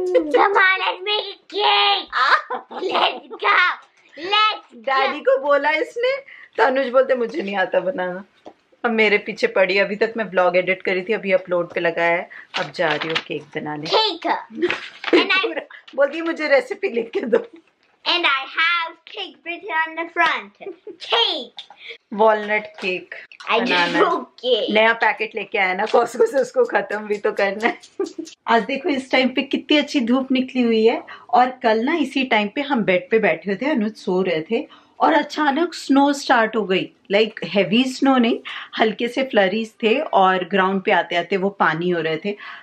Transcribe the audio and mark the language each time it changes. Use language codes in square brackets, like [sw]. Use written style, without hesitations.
[hi] जमानत में cake. Let's go. Let's go. Daddy को बोला इसने. तनुज बोलते मुझे नहीं आता बनाना. अब मेरे पीछे पड़ी. अभी तक मैं ब्लॉग एडिट करी थी, अभी अपलोड पे लगाया है. अब जा रही हूँ केक बनाने. बोलती मुझे रेसिपी लिख के दो. [en] And I have cake written on the front. Cake. Walnut cake. I just broke it. [hi] नया पैकेट लेके आया ना कॉस्को से, उसको खत्म भी तो करना है. आज देखो इस टाइम पे कितनी अच्छी धूप निकली हुई है. और कल ना इसी टाइम पे हम बेड पे बैठे हुए थे, अनुज सो रहे थे और अचानक स्नो स्टार्ट हो गई. लाइक हैवी स्नो नहीं, हल्के से फ्लरीज थे और ग्राउंड पे आते आते वो पानी हो रहे थे.